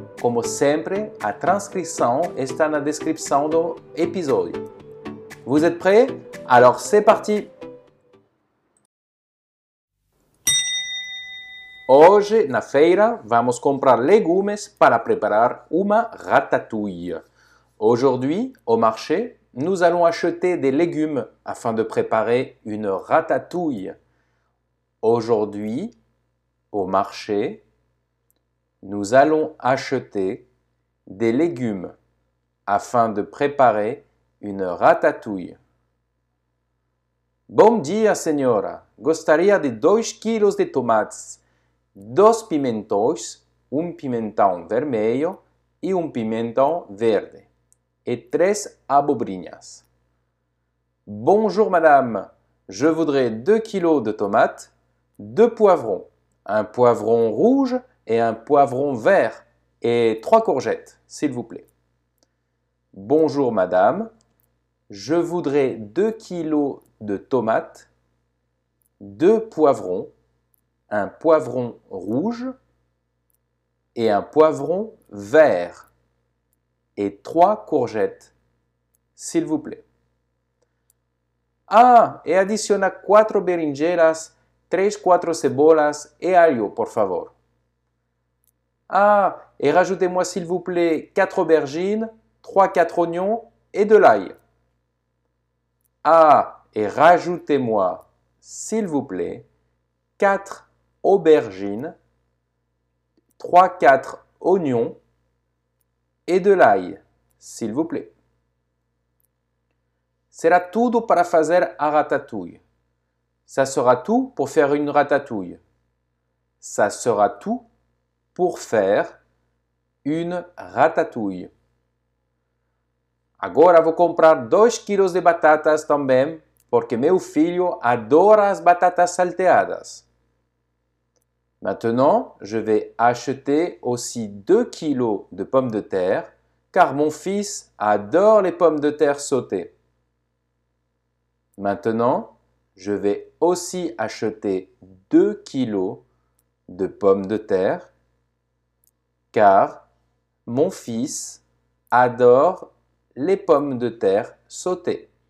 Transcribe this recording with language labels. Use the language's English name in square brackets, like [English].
[Portuguese] Como sempre, a transcrição está na descrição do episódio. [French] Vous êtes prêts? Alors, c'est parti! [Portuguese] Hoje, na feira, vamos comprar legumes para preparar uma ratatouille. [French] Aujourd'hui, au marché, nous allons acheter des légumes afin de préparer une ratatouille. Aujourd'hui, au marché, nous allons acheter des légumes afin de préparer une ratatouille. [Portuguese] Bom dia, senhora. Gostaria de 2 kg de tomates, 2 pimentões, um pimentão vermelho e um pimentão verde, e 3 abobrinhas. [French] Bonjour, madame. Je voudrais 2 kg de tomates, 2 poivrons, un poivron rouge et un poivron vert, et 3 courgettes, s'il vous plaît. Bonjour, madame. Je voudrais 2 kg de tomates, 2 poivrons, un poivron rouge et un poivron vert, et 3 courgettes, s'il vous plaît. [Portuguese] Ah, et adiciona 4 berinjelas, 3-4 cebolas et alho, por favor. [French] Ah, et rajoutez-moi s'il vous plaît 4 aubergines, 3-4 oignons et de l'ail. Ah, et rajoutez-moi s'il vous plaît 4 aubergines, 3-4 oignons et de l'ail, s'il vous plaît. [Portuguese] Será tudo para fazer a ratatouille. [French] Ça sera tout pour faire une ratatouille. Ça sera tout pour faire une ratatouille. [Portuguese] Agora vou comprar 2 kg de batatas também, porque meu filho adora as batatas salteadas. [French] Maintenant, je vais acheter aussi 2 kg de pommes de terre, car mon fils adore les pommes de terre sautées. Maintenant, je vais aussi acheter 2 kg de pommes de terre, car mon fils adore les pommes de terre sautées.